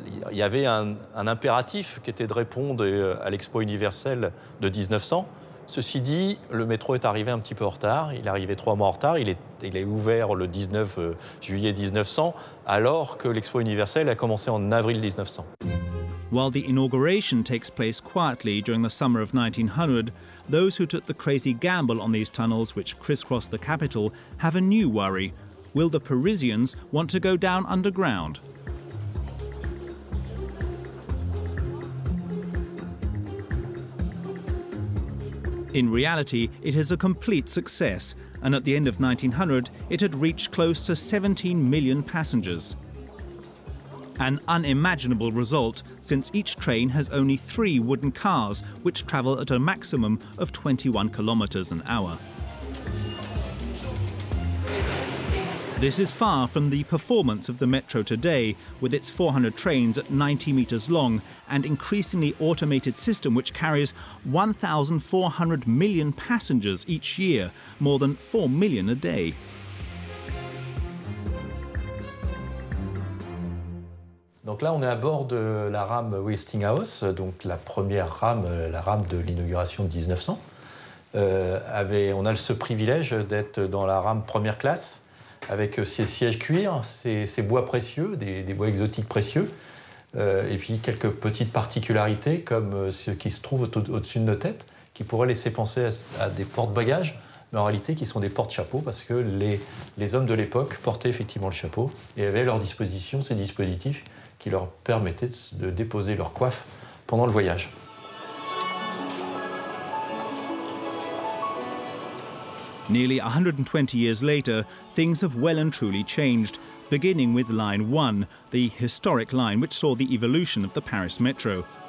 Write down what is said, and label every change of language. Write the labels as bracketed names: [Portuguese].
[French] Il y avait un impératif qui était de répondre à l'Expo universelle de 1900. Ceci dit, le métro est arrivé un petit peu en retard. Il est arrivé trois mois en retard. Il est ouvert le 19 juillet 1900, alors que l'Expo universelle a commencé en avril 1900. [English] While the inauguration takes place quietly during the summer of 1900, those who took the crazy gamble on these tunnels which crisscross the capital have a new worry. Will the Parisians want to go down underground? In reality, it is a complete success, and at the end of 1900, it had reached close to 17 million passengers. An unimaginable result, since each train has only three wooden cars, which travel at a maximum of 21 kilometers an hour. This is far from the performance of the metro today, with its 400 trains at 90 meters long and increasingly automated system which carries 1,400 million passengers each year, more than 4 million a day. [French] Donc là, on est à bord de la rame Westinghouse, donc la première rame, la rame de l'inauguration de 1900. On a ce privilège d'être dans la rame première classe, avec ses sièges cuir, ses bois précieux, des bois exotiques précieux, et puis quelques petites particularités comme ce qui se trouve au-dessus de nos têtes, qui pourraient laisser penser à des portes-bagages, mais en réalité qui sont des portes-chapeaux, parce que les hommes de l'époque portaient effectivement le chapeau et avaient à leur disposition ces dispositifs qui leur permettaient de déposer leur coiffe pendant le voyage. [English] Nearly 120 years later, things have well and truly changed, beginning with Line 1, the historic line which saw the evolution of the Paris Metro.